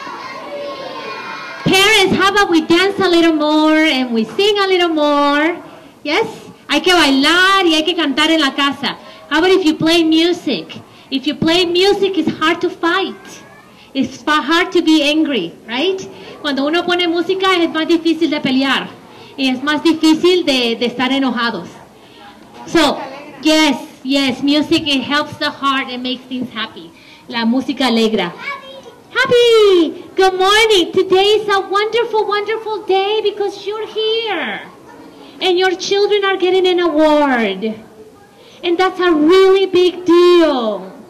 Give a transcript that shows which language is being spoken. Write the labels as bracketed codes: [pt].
[en] How about we dance a little more and we sing a little more? Yes? [es] Hay que bailar y hay que cantar en la casa. [en] How about if you play music? If you play music, it's hard to fight. It's hard to be angry, right? [es] Cuando uno pone música, es más difícil de pelear. Y es más difícil de estar enojados. [en] So, yes, yes, music, it helps the heart and makes things happy. [es] La música alegra. [en] Happy! Good morning! Today is a wonderful, wonderful day because you're here. And your children are getting an award. And that's a really big deal.